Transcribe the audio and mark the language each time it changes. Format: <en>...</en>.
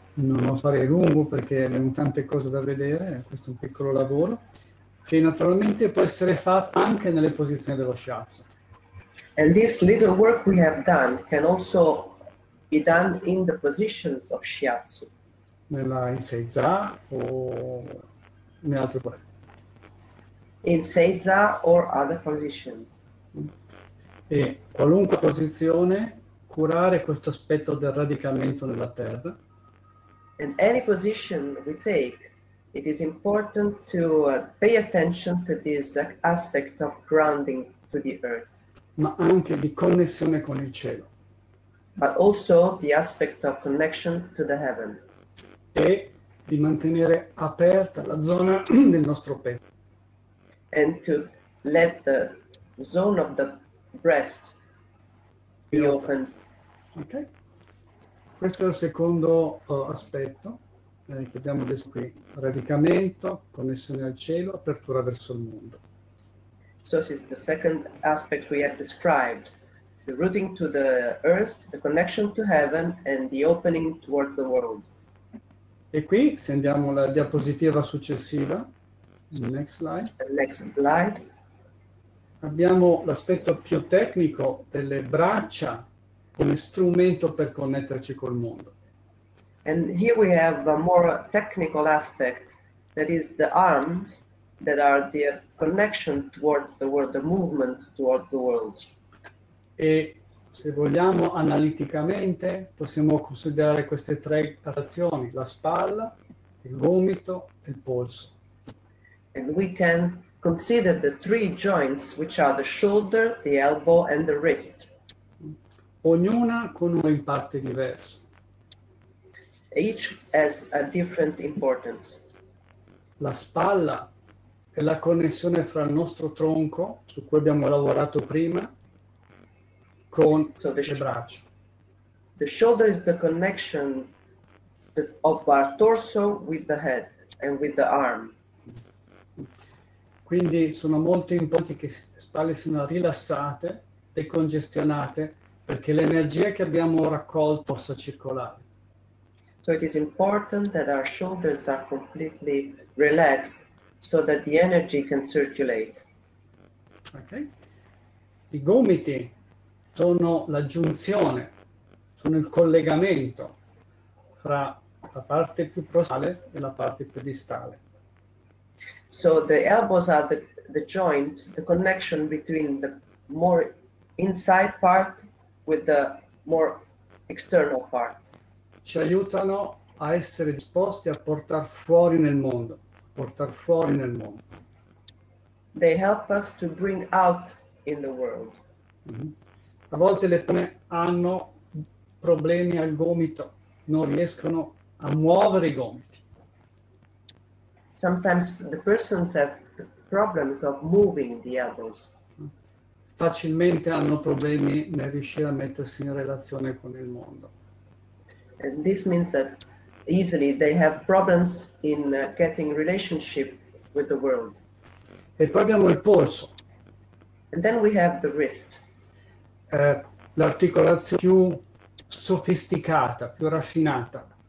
<it>Non lo farei lungo perché abbiamo tante cose da vedere, questo è un piccolo lavoro, che naturalmente può essere fatto anche nelle posizioni dello shiatsu.</it> <en>And this little work we have done can also be done in the positions of shiatsu.</en> <it>Nella in seiza o in altre parti.</it> <en>In seiza or other positions.</en> <it>E qualunque posizione curare questo aspetto del radicamento nella terra.</it> <en>In any position we take, it is important to pay attention to this aspect of grounding to the earth.</en> <it>Ma anche di connessione con il cielo.</it> <en>But also the aspect of connection to the heaven.</en> <it>E di mantenere aperta la zona del nostro petto.</it> <en>And to let the zone of the breast be open. Ok.</en> <it>Questo è il secondo aspetto che abbiamo adesso qui. Radicamento, connessione al cielo, apertura verso il mondo.</it> <en>So this is the second aspect we have described. The rooting to the earth, the connection to heaven, and the opening towards the world.</en> <it>E qui, se andiamo alla diapositiva successiva,</it> <en>next slide. Next slide.</en> <it>Abbiamo l'aspetto più tecnico delle braccia come strumento per connetterci col mondo.</it> <en>And here we have a more technical aspect, that is the arms that are the connection towards the world, the movements towards the world.</en> <it>E se vogliamo analiticamente possiamo considerare queste tre azioni, la spalla, il gomito e il polso.</it> <en>And we can consider the three joints, which are the shoulder, the elbow and the wrist.</en> <it>Ognuna con un impatto diverso.</it> <en>Each has a different importance.</en> <it>La spalla è la connessione fra il nostro tronco, su cui abbiamo lavorato prima, con le braccia.</it> <en>The shoulder is the connection of our torso with the head and with the arm.</en> <it>Quindi sono molto importanti che le spalle siano rilassate, decongestionate, perché l'energia che abbiamo raccolto possa circolare.</it> <en>So it is important that our shoulders are completely relaxed so that the energy can circulate. Ok.</en> <it>I gomiti sono la giunzione, sono il collegamento fra la parte più prossimale e la parte più distale.</it> <en>So the elbows are the joint, the connection between the more inside part with the more external part.</en> <it>Ci aiutano a essere disposti a portar fuori nel mondo, a portar fuori nel mondo.</it> <en>They help us to bring out in the world. Mm-hmm.</en> <it>A volte le persone hanno problemi al gomito, non riescono a muovere i gomiti.</it> <en>Sometimes the persons have the problems of moving the elbows.</en> <it>Facilmente hanno problemi nel riuscire a mettersi in relazione con il mondo.</it> <en>And this means that easily they have problems in getting relationship with the world.</en> <it>E poi abbiamo il polso.</it> <en>And then we have the wrist.</en> <it>L'articolazione più sofisticata, più raffinata.</it>